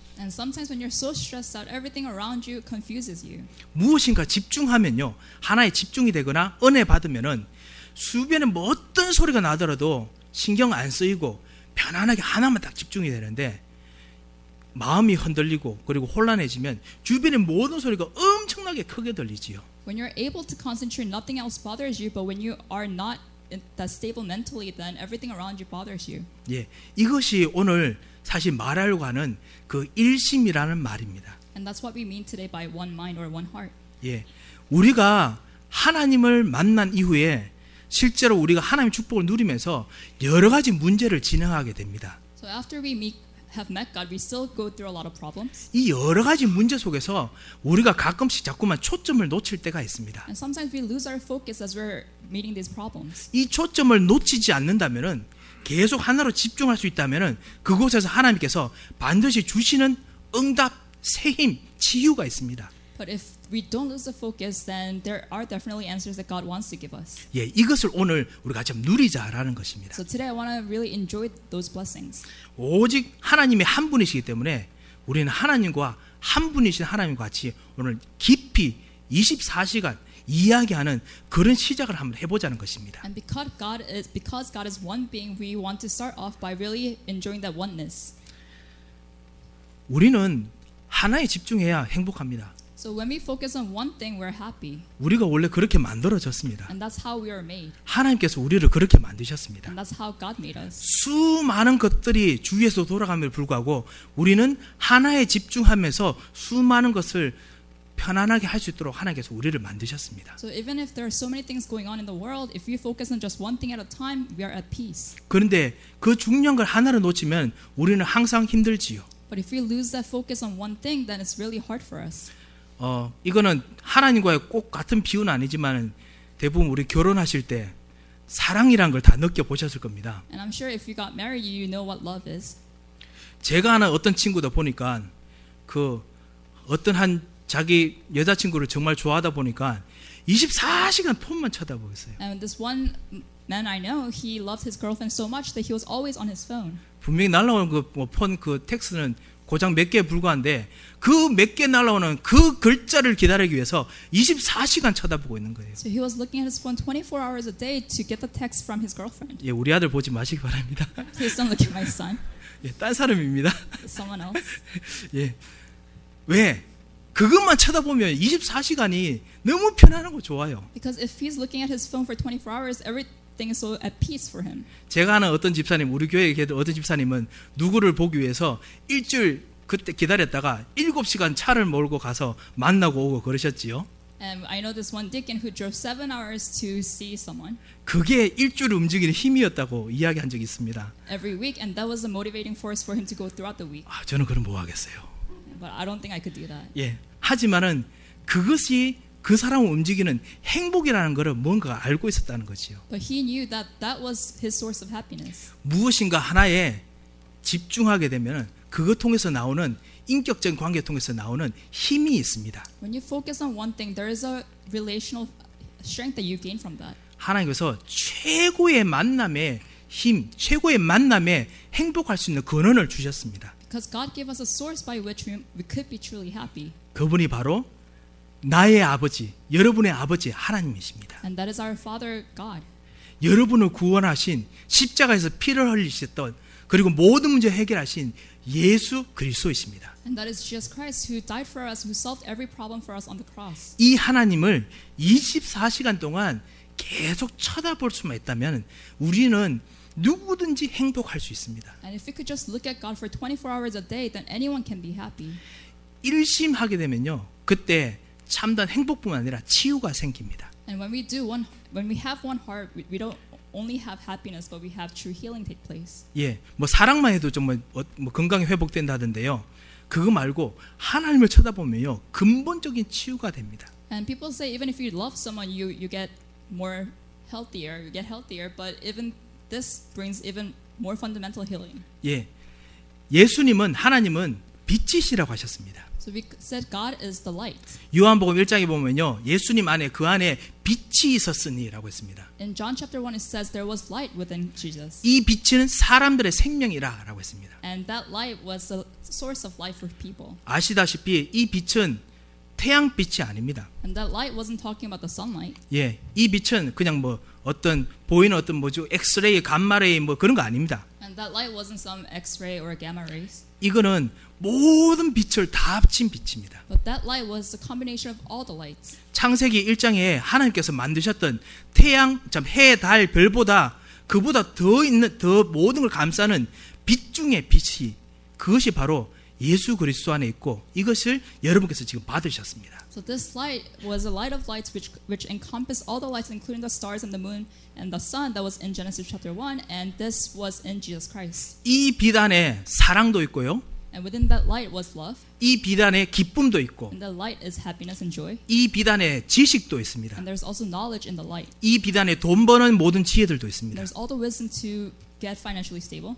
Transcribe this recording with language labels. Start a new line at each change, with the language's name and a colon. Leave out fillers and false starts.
English: And sometimes when you're so stressed out, everything around you confuses you.
Korean: 무엇인가 집중하면요. 하나에 집중이 되거나 은혜 받으면은 주변에 뭐 어떤 소리가 나더라도 신경 안 쓰이고 편안하게 하나만 딱 집중이 되는데 마음이 흔들리고 그리고 혼란해지면 주변의 모든 소리가 엄청나게 크게 들리지요.
English: When you're able to concentrate, nothing else bothers you. But when you are not that stable mentally, then everything around you bothers you.
Korean: 예, 이것이 오늘 사실 말하려고 하는 그 일심이라는 말입니다.
English: And that's what we mean today by one mind or one heart.
Korean: 예, 우리가 하나님을 만난 이후에 실제로 우리가 하나님의 축복을 누리면서 여러 가지 문제를 진행하게 됩니다.
English: So after we have met God, we still go through a lot of problems.
Korean: 이 여러 가지 문제 속에서 우리가 가끔씩 자꾸만 초점을 놓칠 때가 있습니다.
English: And sometimes we lose our focus as we're meeting these problems.
Korean: 이 초점을 놓치지 않는다면은 계속 하나로 집중할 수 있다면은 그곳에서 하나님께서 반드시 주시는 응답, 새 힘, 치유가 있습니다.
English: But if we don't lose the focus, then there are definitely answers that God wants to give us.
Korean: 예, 이것을 오늘 우리가 좀 누리자라는 것입니다.
English: So today I want to really enjoy those blessings.
Korean: 오직 하나님이 한 분이시기 때문에 우리는 하나님과 한 분이신 하나님과 같이 오늘 깊이 24시간 이야기하는 그런 시작을 한번 해보자는 것입니다.
English: And because God is one being, we want to start off by really enjoying that oneness.
Korean: 우리는 하나에 집중해야 행복합니다.
English: So when we focus on one thing, we're happy.
Korean: 우리가 원래 그렇게 만들어졌습니다.
English: And that's how we are made.
Korean: 하나님께서 우리를 그렇게 만드셨습니다.
English: And that's how God made us.
Korean: 수많은 것들이 주위에서 돌아감에도 불구하고 우리는 하나에 집중하면서 수많은 것을 편안하게 할 수 있도록 하나님께서 우리를 만드셨습니다.
English: So even if there are so many things going on in the world, if you focus on just one thing at a time, we are at peace.
Korean: 그런데 그 중요한 걸 하나를 놓치면 우리는 항상 힘들지요.
English: But if we lose that focus on one thing, then it's really hard for us.
Korean: 이거는 하나님과의 꼭 같은 비유는 아니지만 대부분 우리 결혼하실 때 사랑이란 걸 다 느껴 보셨을 겁니다.
English: And I'm sure if you got married, you know what love is.
Korean: 제가 아는 어떤 친구도 보니까 그 어떤 한 자기 여자친구를 정말 좋아하다 보니까 24시간 폰만 쳐다보고 있어요.
English: And this one man I know, he loved his girlfriend so much that he was always on his phone.
Korean: 분명히 날라오는 그 뭐 폰 그 텍스트는 고장 몇 개에 불과한데 그 몇 개 날라오는 그 글자를 기다리기 위해서 24시간 쳐다보고 있는 거예요.
English: So he was looking at his phone 24 hours a day to get the text from his girlfriend.
Korean: 예, 우리 아들 보지 마시기 바랍니다.
English: Please don't look at my son.
Korean: 예, 딴 사람입니다.
English: Someone else.
Korean: 예. 왜? 그것만 쳐다보면 24시간이 너무 편안하고 좋아요.
English: Because if he's looking at his phone for 24 hours, everything is so at peace for him.
Korean: 제가 아는 어떤 집사님, 우리 교회에 어떤 집사님은 누구를 보기 위해서 일주일 그때 기다렸다가 7시간 차를 몰고 가서 만나고 오고 그러셨지요.
English: And I know this one deacon who drove 7 hours to see someone.
Korean: 그게 일주일 움직이는 힘이었다고 이야기한 적이 있습니다.
English: Every week, and that was the motivating force for him to go throughout the week.
Korean: 아, 저는 그럼 뭐 하겠어요?
English: But I don't think I could do that.
Korean: 예, 하지만은 그것이 그 사람을 움직이는 행복이라는 것을 뭔가 알고 있었다는 거지요.
English: But he knew that that was his source of happiness.
Korean: 무엇인가 하나에 집중하게 되면은 그것 통해서 나오는 인격적인 관계 통해서 나오는 힘이 있습니다.
English: When you focus on one thing, there is a relational strength that you gain from that.
Korean: 하나님께서 최고의 만남의 힘, 최고의 만남에 행복할 수 있는 근원을 주셨습니다.
English: Because God gave us a source by which we could be truly happy.
Korean: 그분이 바로 나의 아버지, 여러분의 아버지 하나님이십니다.
English: And that is our Father God.
Korean: 여러분을 구원하신 십자가에서 피를 흘리셨던 그리고 모든 문제 해결하신 예수 그리스도이십니다.
English: And that is Jesus Christ who died for us, who solved every problem for us on the cross.
Korean: 이 하나님을 24시간 동안 계속 쳐다볼 수만 있다면 우리는 누구든지 행복할 수 있습니다.
English: And if we could just look at God for 24 hours a day, then anyone can be happy.
Korean: 일심하게 되면요, 그때 참된 행복뿐만 아니라 치유가 생깁니다.
English: And when we do one, when we have one heart, we don't only have happiness, but we have true healing take place.
Korean: 예, 뭐 사랑만 해도 좀 뭐 건강이 회복된다던데요. 그거 말고 하나님을 쳐다보면요, 근본적인 치유가 됩니다.
English: And people say even if you love someone, you get more healthier. You get healthier, but even this brings even more fundamental healing.
Korean: 예, 예수님은 하나님은 빛이시라고 하셨습니다.
English: So we said God is the light.
Korean: 요한복음 1장에 보면요, 예수님 안에 그 안에 빛이 있었으니라고 했습니다.
English: In John chapter 1 it says there was light within Jesus.
Korean: 이 빛은 사람들의 생명이라라고 했습니다.
English: And that light was the source of life for people.
Korean: 아시다시피 이 빛은 태양빛이 아닙니다.
English: And that light wasn't talking about the sunlight.
Korean: 예, 이 빛은 그냥 뭐 어떤 보이는 어떤 뭐죠? 엑스레이, 감마레이 뭐 그런 거 아닙니다.
English: And that light wasn't some x-ray or gamma rays.
Korean: 이거는 모든 빛을 다 합친 빛입니다.
English: But that light was the combination of all the lights.
Korean: 창세기 1장에 하나님께서 만드셨던 태양, 참 해, 달, 별보다 그보다 더 있는 더 모든 걸 감싸는 빛 중에 빛이 그것이 바로 예수 그리스도 안에 있고 이것을 여러분께서 지금 받으셨습니다.
English: So this light was a light of lights which encompassed all the lights including the stars and the moon and the sun that was in Genesis chapter 1 and this was in Jesus Christ.
Korean: 이 빛 안에 사랑도 있고요.
English: And within that light was love.
Korean: 이 빛 안에 기쁨도 있고.
English: And the light is happiness and joy.
Korean: 이 빛 안에 지식도 있습니다.
English: And there's also knowledge in the light.
Korean: 이 빛 안에 돈 버는 모든 지혜들도 있습니다.
English: And there's all the wisdom to get financially stable.